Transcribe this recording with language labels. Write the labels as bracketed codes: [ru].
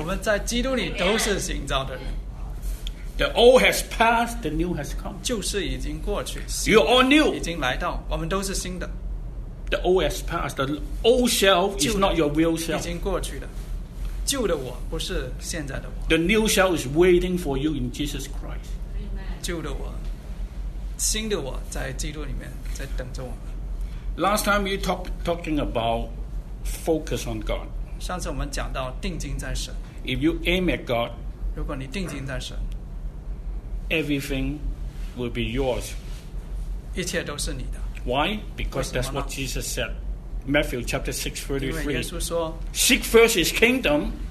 [zh] 我们在基督里都是新造的人。 [en] The old has passed, the new has come. [zh] 旧事已经过去。 [en] You are all new. [zh] 已经来到，我们都是新的。 [en] The old has passed, the old self is not your real self. [zh] 已经过去了。旧的我不是现在的我。 [en] The new self is waiting for you in Jesus Christ. [zh] 旧的我，新的我在基督里面在等着我们。 [en] Last time you talking about focus on God. [zh] 上次我们讲到定睛在神。 [en] If you aim at God, [zh] 如果你定睛在神 [en] ，everything will be yours. [zh] 一切都是你的。 [en] Why? Because that's what Jesus said. Matthew chapter 6:33. [zh] 因为耶稣说 [en] ，Seek first His kingdom.